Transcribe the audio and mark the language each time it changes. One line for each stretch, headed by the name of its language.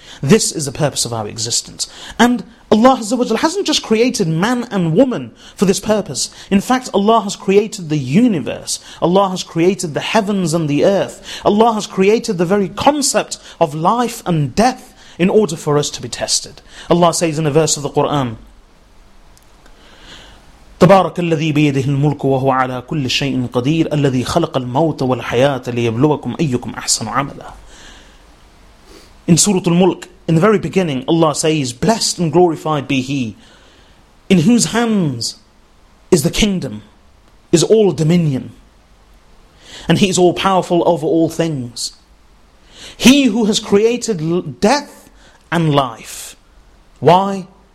English: This is the purpose of our existence. And Allah Azza wa Jal hasn't just created man and woman for this purpose. In fact, Allah has created the universe. Allah has created the heavens and the earth. Allah has created the very concept of life and death in order for us to be tested. Allah says in a verse of the Qur'an,
Arabic: تبارك الذي بيده الملك وهو على كل شيء قدير الذي خلق الموت والحياة ليبلوكم أيكم أحسن عملا.
English: In Surah Al-Mulk, in the very beginning, Allah says, Blessed and glorified be He, in whose hands is the kingdom, is all dominion. And He is all powerful over all things. He who has created death and life. Why?